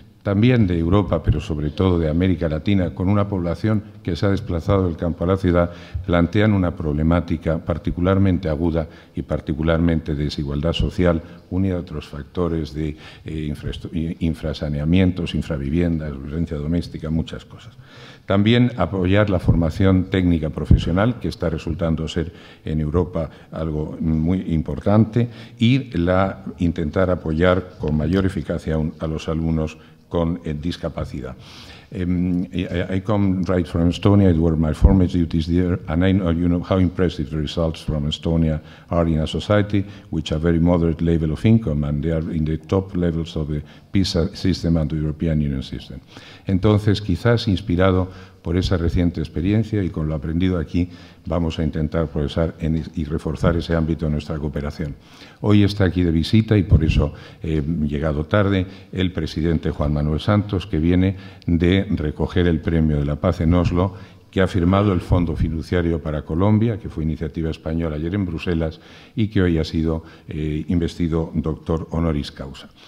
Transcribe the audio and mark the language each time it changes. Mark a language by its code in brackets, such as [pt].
[es] también de Europa, pero sobre todo de América Latina, con una población que se ha desplazado del campo a la ciudad, plantean una problemática particularmente aguda y particularmente de desigualdad social, unida a otros factores de infrasaneamientos, infraviviendas, violencia doméstica, muchas cosas. También apoyar la formación técnica profesional, que está resultando ser en Europa algo muy importante, y intentar apoyar con mayor eficacia aún a los alumnos con discapacidad. [en] I come right from Estonia, it were my former duties there, and I know you know how impressive the results from Estonia are in a society which have very moderate level of income, and they are in the top levels of the PISA system and the European Union system. [es] Entonces, quizás inspirado por esa reciente experiencia y con lo aprendido aquí, vamos a intentar progresar y reforzar ese ámbito de nuestra cooperación. Hoy está aquí de visita y por eso he llegado tarde el presidente Juan Manuel Santos, que viene de recoger el premio de la paz en Oslo, que ha firmado el Fondo Fiduciario para Colombia, que fue iniciativa española ayer en Bruselas y que hoy ha sido investido doctor honoris causa.